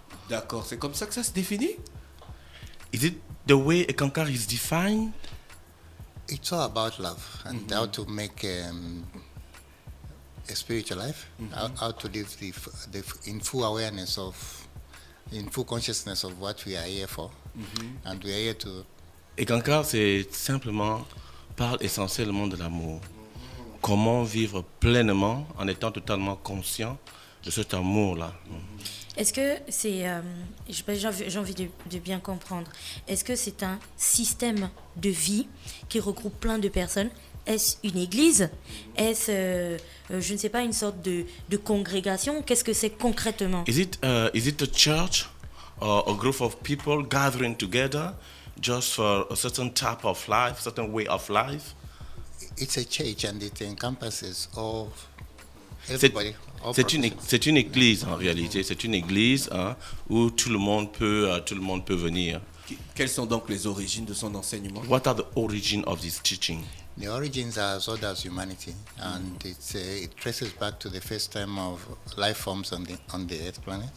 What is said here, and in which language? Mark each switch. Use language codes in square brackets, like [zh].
[fr] D'accord, c'est comme ça que ça se définit? [en] Is it the way a Cancars is defined? It's all about love and mm-hmm. how to make a spiritual life, mm-hmm. how to live the in full awareness of, in full consciousness of what we are here for. Mm-hmm. And we are here to. [fr] Et Cancars, c'est simplement, parle essentiellement de l'amour. Mm-hmm. Comment vivre pleinement en étant totalement conscient de cet amour-là. Est-ce que c'est... j'ai envie de bien comprendre. Est-ce que c'est un système de vie qui regroupe plein de personnes? Est-ce une église? Est-ce, je ne sais pas, une sorte de congrégation? Qu'est-ce que c'est concrètement? [en] Is it a church or a group of people gathering together just for a certain type of life, certain way of life? It's a church and it encompasses all... [fr] C'est une église en réalité, c'est une église hein, où tout le monde peut venir. Quelles sont donc les origines de son enseignement? [en] What are the origins of this teaching? The origins are as old as humanity, and it traces back to the first time of life forms on the Earth planet.